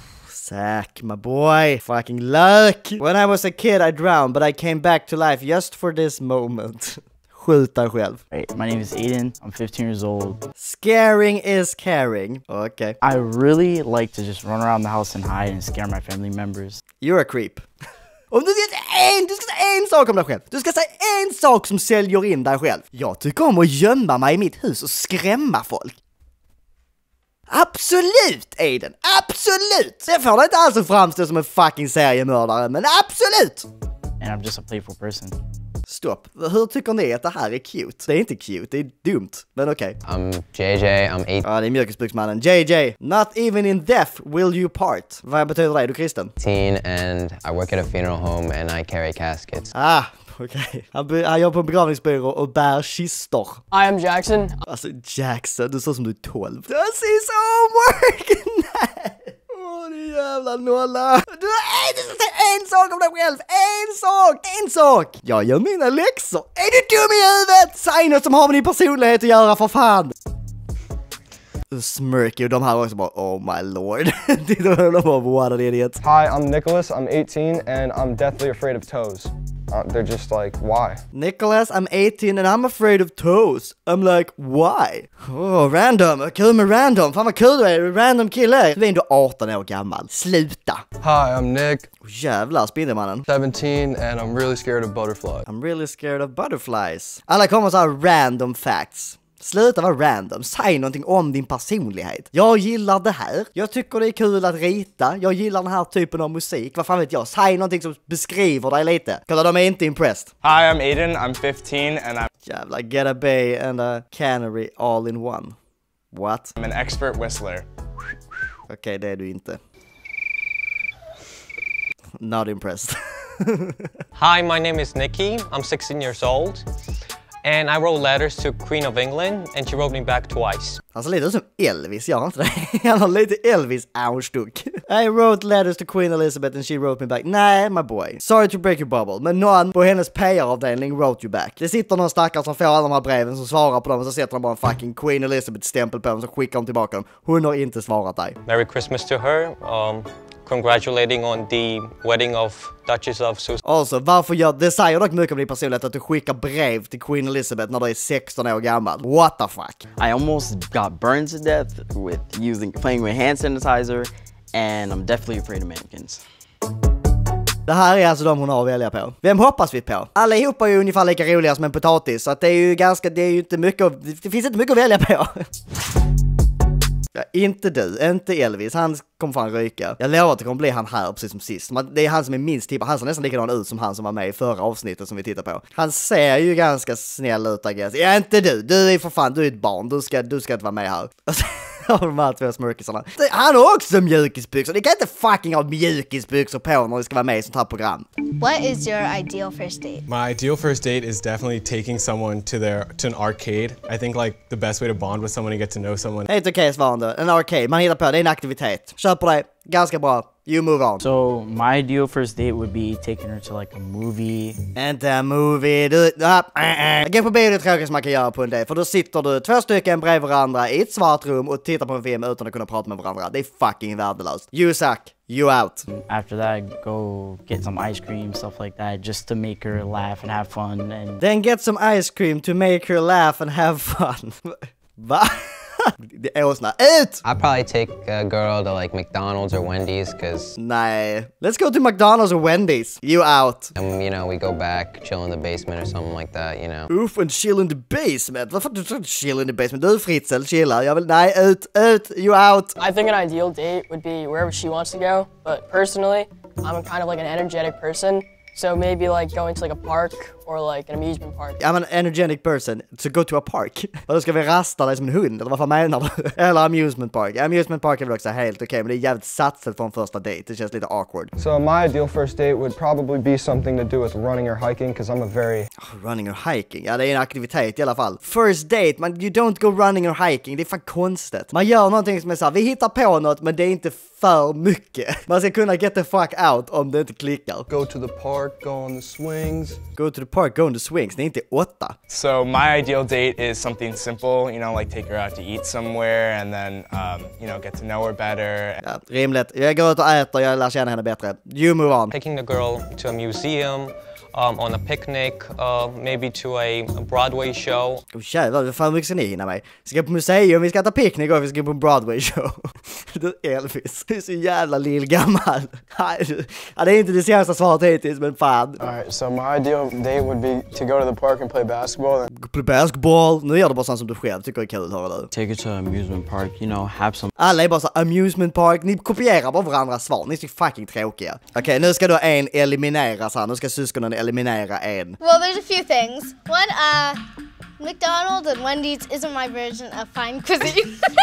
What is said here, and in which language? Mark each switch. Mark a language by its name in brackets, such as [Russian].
[English] Zack, my boy. Fucking luck. When I was a kid, I drowned, but I came back to life just for this moment. [Swedish] Skjut dig själv. [English] Hey, my name is Eden. I'm 15 years old. Scaring is caring. Okay. I really like to just run around the house and hide and scare my family members. You're a creep. [Swedish] Om du vet en, du ska säga en sak om dig själv. Du ska säga en sak som säljer in dig själv. Jag tycker om att gömma mig i mitt hus och skrämma folk. Absolut, Aiden. Absolut. Jag får inte alls framstå som en fucking seriemördare, men absolut. [English] And I'm just a playful person. [Swedish] Stopp. Hur tycker ni att det här är cute? Det är inte cute, det är dumt. Men okej. [English] Okay. I'm JJ, I'm 8. [Swedish] Ja, det är mjukisbruksmannen. [English] JJ, not even in death will you part. [Swedish] Vad betyder det? Är du kristen? [English] Teen and I work at a funeral home and I carry caskets. [Swedish] Ah, okej. Okay. Han jobbar på en begravningsbyrå och bär kistor. [English] I am Jackson. [Swedish] Alltså, Jackson, du ser som du är 12. [English] This is homework! [Swedish] Nej! Åh, oh, du jävla nolla. Du är en sak om dig själv! En sak! En sak! Jag gör mina läxor! Är du dum i huvudet? Säg något som har med din personlighet att göra, för fan! smirky. Och de här också bara, [English] oh my lord. [Swedish] De bara, [English] what an idiot. Hi, I'm Nicholas, I'm 18 and I'm deathly afraid of toes. They're just like, why? Nicholas, I'm 18 and I'm afraid of toes. I'm like, why? [Swedish] Oh, random. Kul med random. Fan vad kul du är. Random kille. Du är ändå 18 år gammal. Sluta. [English] Hi, I'm Nick. [Swedish] Jävlar, Spindelmannen. [English] 17 and I'm really scared of butterflies. I'm really scared of butterflies. [Swedish] Alla kommer såhär random facts. Sluta vara random. Säg någonting om din personlighet. Jag gillar det här. Jag tycker det är kul att rita. Jag gillar den här typen av musik. Vad fan vet jag? Säg någonting som beskriver dig lite. Kolla, de är inte impressed. [English] Hi, I'm Aiden. I'm 15 and I'm... Jävlar, get a bay and a canary all in one. What? I'm an expert whistler. [Swedish] Okej, det är du inte. [English] Not impressed. Hi, my name is Nikki. I'm 16 years old. And I wrote letters to Queen of England and she wrote me back twice. [Swedish] Alltså lite som Elvis, jag har inte det. Han har lite Elvis ärstuck. [English] I wrote letters to Queen Elizabeth and she wrote me back. Nej, my boy. Sorry to break your bubble, [Swedish] men någon på hennes PR-avdelning [English] wrote you back. [Swedish] Det sitter någon stackare som får alla de här breven som svarar på dem och så sätter de bara en fucking Queen Elizabeth-stämpel på dem och så skickar de tillbaka dem. Hon har inte svarat dig. [English] Merry Christmas to her. Congratulating on the wedding of Duchess of Sussex. [Swedish] Alltså, varför gör... Det säger dock mycket om din personlighet att du skickar brev till Queen Elizabeth när du är 16 år gammal. [English] What the fuck? I almost got burned to death with playing with hand sanitizer and I'm definitely afraid of mannequins. [Swedish] Det här är alltså de hon har att välja på. Vem hoppas vi på? Allihopa är ju ungefär lika roliga som en potatis, så att det är ju ganska... Det är ju inte mycket... Det finns inte mycket att välja på. Ja, inte du, inte Elvis, han kommer fan ryka. Jag lovar att det kommer bli han här precis som sist. Det är han som är minst typ, han ser nästan likadan ut som han som var med i förra avsnittet som vi tittar på. Han ser ju ganska snäll ut, [English] I guess. [Swedish] Ja, inte du, du är för fan, du är ett barn, du ska inte vara med här. De här två smörkisarna. Han har också mjukisbyxor. Ni kan inte fucking ha mjukisbyxor på när ni ska vara med i sånt här program. [English] What is your ideal first date? My ideal first date is definitely taking someone to an arcade. I think like the best way to bond with someone and get to know someone. [Swedish] Det är ett okej svarande. En arcade. Man hittar på. Det är en aktivitet. Kör på det. Ganska bra. [English] You move on. So my ideal first date would be taking her to like a movie. And a movie. [Swedish] Gå på bio, det tråkigaste man kan göra på en date. För då sitter du två stycken bredvid varandra i ett svart rum och tittar på en film utan att kunna prata med varandra. Det är fucking värdelöst. [English] You suck. You out. After that, go get some ice cream, stuff like that, just to make her laugh and have fun. And then get some ice cream to make her laugh and have fun. [Swedish] Va? Det är åsna ut! [English] I'd probably take a girl to like McDonald's or Wendy's, cause... Nej. Let's go to McDonald's or Wendy's. You out. And, you know, we go back, chill in the basement or something like that, you know. Oof, and chill in the basement. [Swedish] Varför du tror [English] chill in the basement? [Swedish] Du, Fritzel, chilla. Jag vill... Nej, ut, ut, [English] you out. I think an ideal date would be wherever she wants to go. But personally, I'm a kind of like an energetic person. So maybe like going to like a park or like an amusement park. I'm an energetic person to go to a park. [Swedish] Vad ska vi rasta där som en hund eller vad fan menar du? Eller amusement park. Amusement park är väl också helt okej, men det är jävligt satset för en första date. Det känns lite awkward. [English] So my ideal first date would probably be something to do with running or hiking because I'm a very... Running or hiking. [Swedish] Ja, det är en aktivitet i alla fall. [English] First date, man, you don't go running or hiking. [Swedish] Det är fan konstigt. Man gör någonting som är så här, vi hittar på något, men det är inte för mycket. Man ska kunna [English] get the fuck out [Swedish] om det inte klickar. [English] Go to the park, go on the swings. Go to the park, go on the swings. [Swedish] Det är inte åtta. [English] So my ideal date is something simple, you know, like take her out to eat somewhere and then, you know, get to know her better. [Swedish] Ja, rimligt. Jag går ut och äter, jag lär känna henne bättre. [English] You move on. Taking the girl to a museum. On a picnic, maybe to a Broadway show. [Swedish] Oh, jävlar, hur fan mycket ska ni hinna mig? Vi ska på museum, vi ska äta picnic och vi ska på en Broadway show. Du, Elvis, du är så jävla lillgammal. Ja, det är inte det senaste svaret hittills, men fan. [English] All right, so my ideal date would be to go to the park and play basketball. Play basketball? [Swedish] Nu gör du bara sånt som du själv tycker är kul, hörru. [English] Take it to an amusement park, you know, have some... [Swedish] Alla är bara så amusement park. Ni kopierar bara varandras svar. Ni är så fucking tråkiga. Okej, nu ska då en elimineras här. Nu ska syskonen eliminera en. [English] Well, there's a few things. One, McDonald's and Wendy's isn't my version of fine cuisine.